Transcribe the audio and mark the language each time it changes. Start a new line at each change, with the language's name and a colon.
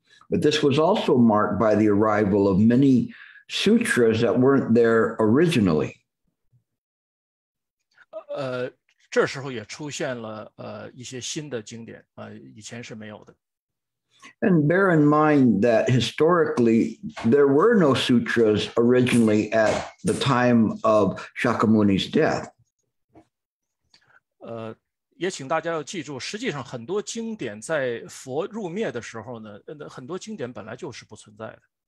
English: But this was also marked by the arrival of many sutras that weren't there originally.
Chinese: 这时候也出现了一些新的经典，以前是没有的。
English: And bear in mind that historically, there were no sutras originally at the time of Shakyamuni's death.
Chinese: 也请大家要记住，实际上很多经典在佛入灭的时候呢，很多经典本来就是不存在的。